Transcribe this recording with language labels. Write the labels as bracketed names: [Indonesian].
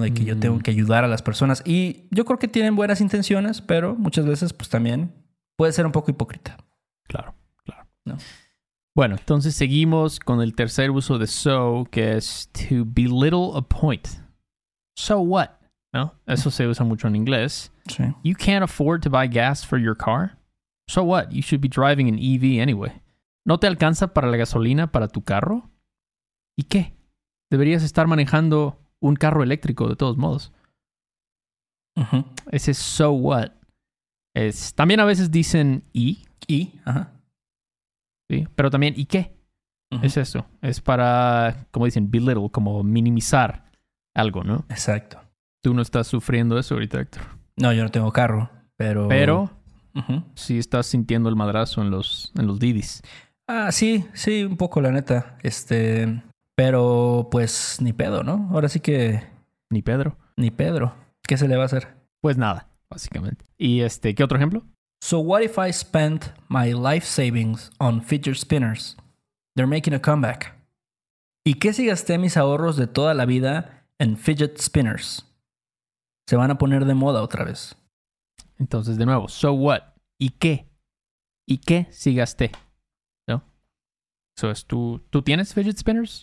[Spanish] De que yo tengo que ayudar a las personas. Y yo creo que tienen buenas intenciones, pero muchas veces, pues también puede ser un poco hipócrita. Claro, claro. ¿No? Bueno, entonces seguimos con el tercer uso de so, que es [English] to belittle a point. So what? [Spanish] ¿No? Eso se usa mucho en inglés. Sí. [English] You can't afford to buy gas for your car? So what? You should be driving an EV anyway. [Spanish] ¿No te alcanza para la gasolina para tu carro? ¿Y qué? Deberías estar manejando un carro eléctrico de todos modos. Ese [English] so what. [Spanish] También a veces dicen y. Y, ajá. Sí, pero también, ¿y qué? Es eso. Es para, como dicen, belittle, como minimizar algo, ¿no? Exacto. Tú no estás sufriendo eso ahorita, Héctor. No, yo no tengo carro, pero... Pero sí estás sintiendo el madrazo en los Didis. Ah, sí, sí, un poco, la neta. Pero, pues, ni pedo, ¿no? Ahora sí que... Ni Pedro. Ni Pedro. ¿Qué se le va a hacer? Pues nada, básicamente. ¿Y qué otro ejemplo? [English] So what if I spent my life savings on fidget spinners? They're making a comeback. [Spanish] ¿Y qué si gasté mis ahorros de toda la vida en fidget spinners? Se van a poner de moda otra vez. Entonces, de nuevo, [English] so what? [Spanish] ¿Y qué? ¿Y qué si gasté? ¿No? So, ¿tú tienes fidget spinners?